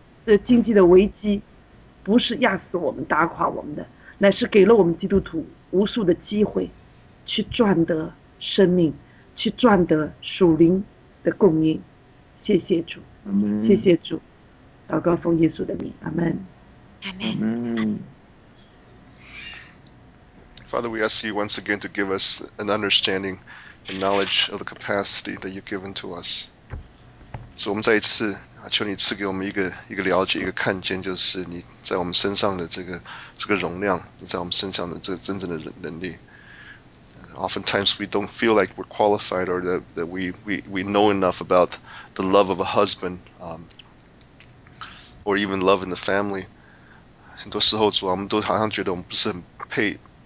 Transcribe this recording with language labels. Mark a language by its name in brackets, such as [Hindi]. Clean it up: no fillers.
[Chinese] 这经济的危机不是压死我们打垮我们的，乃是给了我们基督徒无数的机会去赚得生命，去赚得属灵的供应。谢谢主，阿们，谢谢主，祷告奉耶稣的名，阿们，阿们，阿们。 [English] Father, we ask you once again to give us an understanding and knowledge of the capacity that you've given to us. [Chinese] So, 我们再一次求你赐给我们一个了解，一个看见，就是你在我们身上的这个容量，你在我们身上的这个真正的能力。 [English] Oftentimes, we don't feel like we're qualified, or that we know enough about the love of a husband, or even love in the family. [Chinese] 很多时候，主啊，我们都好像觉得我们不是很配。